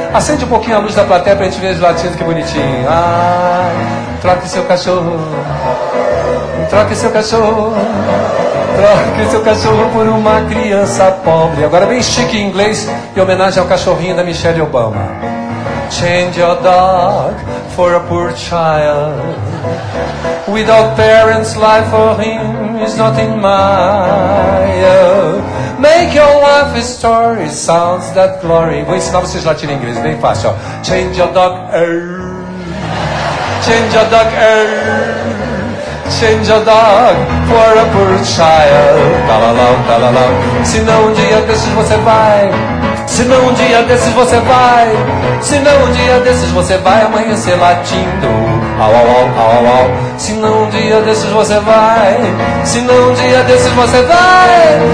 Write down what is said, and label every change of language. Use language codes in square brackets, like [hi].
[pt] Acende um pouquinho a luz da plateia pra gente ver os latinos, que bonitinho. Ah, troque seu cachorro. Troque seu cachorro. Troque seu cachorro por uma criança pobre. Agora bem chique em inglês, em homenagem ao cachorrinho da Michelle Obama. [en] Change your dog for a poor child. Without parents, life for him is nothing mild. Make your life a story, sounds that glory. [pt] Vou ensinar vocês latim em inglês, bem fácil, ó. [en] Change your dog, er. Change your dog, er. Change your dog for a poor child. Talalau, talalau. [pt] Se não um dia desses você vai. Se não um dia desses você vai. Se não um dia desses você vai amanhecer latindo. Au, au, au, au, au, au. Se não um dia desses você vai. Se não um dia desses você vai.